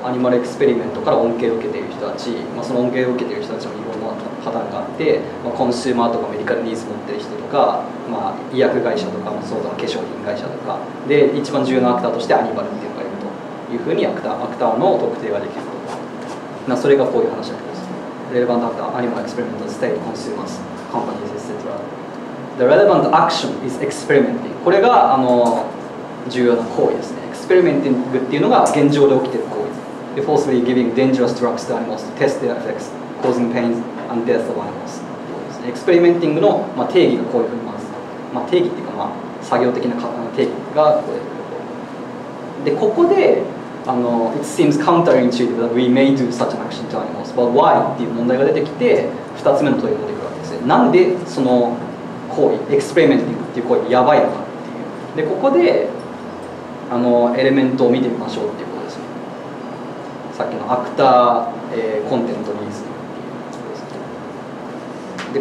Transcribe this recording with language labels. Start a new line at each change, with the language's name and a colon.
Japanese: アニマルエクスペリメントから恩恵を受けている人たち、まあ、その恩恵を受けている人たちもいろんなパターンがあって、まあ、コンシューマーとかメディカルニーズ持ってる人とか、まあ、医薬会社とかもそうだ、化粧品会社とかで、一番重要なアクターとしてアニマルっていうのがいるというふうにアクターの特定ができると。なそれがこういう話だけです。レレバントアクター、アニマルエクスペリメント、ステイ、コンシューマーズ、カンパニーズ、etc.
English: The relevant action is experimenting.
Japanese: これが重要な行為ですね。Experimenting っていうのが現状で起きている行為です。
English: The forcefully giving dangerous drugs to animals to test their effects, causing pain and death of animals.
Japanese: Experimenting の、まあ、定義がこういうふうに回す。まあ、定義っていうか、まあ、作業的な定義がこういう。
English: で、ここで It seems counterintuitive that we may do such an action to animals. But why?
Japanese: っていう問題が出てきて、2つ目の問いが出てくるわけですね。なんでその行為、エクスペリメンティングっていう行為やばいのかっていう。でここでエレメントを見てみましょうっていうことですね。さっきのアクター、コンテンツリーズっていうことですね。